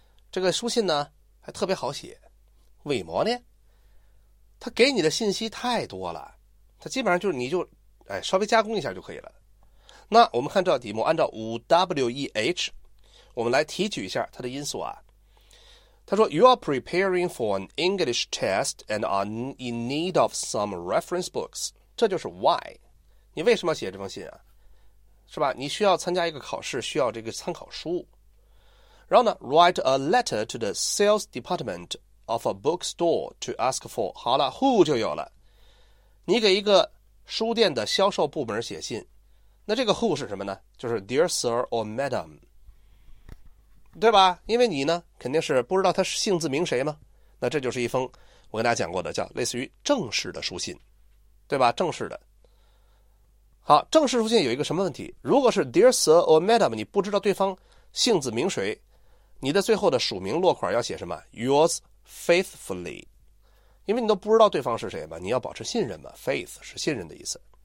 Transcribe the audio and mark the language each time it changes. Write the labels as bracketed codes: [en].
[zh] 这个书信呢，还特别好写。为毛呢？它给你的信息太多了，它基本上就是你就，稍微加工一下就可以了。那我们看这道题目，按照 5WEH， 我们来提取一下它的因素啊。他说 [en] ,You are preparing for an English test and are in need of some reference books. [zh] 这就是 why. 你为什么要写这封信啊？是吧，你需要参加一个考试，需要这个参考书。然后呢 [en] ,write a letter to the sales department of a bookstore to ask for. [zh] 好了 ,who 就有了。你给一个书店的销售部门写信。那这个 who 是什么呢？就是 [en] dear sir or madam。 [zh] 对吧，因为你呢肯定是不知道他是姓字名谁吗，那这就是一封我跟大家讲过的叫类似于正式的书信，对吧，正式的。好，正式书信有一个什么问题，如果是 [en] Dear Sir or Madam， [zh] 你不知道对方姓字名谁，你的最后的署名落款要写什么 [en] Yours faithfully， [zh] 因为你都不知道对方是谁嘛，你要保持信任嘛， Faith 是信任的意思。